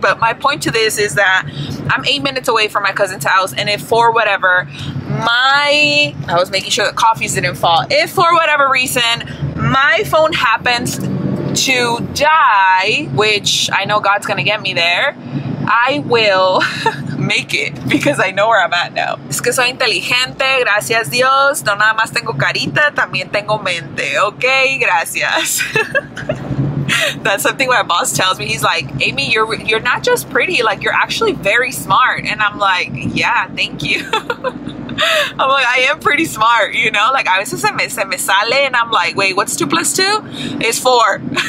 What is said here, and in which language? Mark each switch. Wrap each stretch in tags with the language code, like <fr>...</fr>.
<en>But my point to this is that I'm 8 minutes away from my cousin's house, and if for whatever I was making sure that coffees didn't fall, if for whatever reason my phone happens to die, which I know God's gonna get me there, I will make it, because I know where I'm at now.</en> <es>Es que soy inteligente, gracias Dios. No nada más tengo carita, también tengo mente. Okay, gracias.</es> <en>That's something my boss tells me. He's like, Amy, you're not just pretty, like, you're actually very smart. And I'm like, yeah, thank you. I'm like, I am pretty smart, you know? Like,</en> <es>a veces se me sale,</es> <en>and I'm like, wait, what's 2 plus 2? It's 4.</en>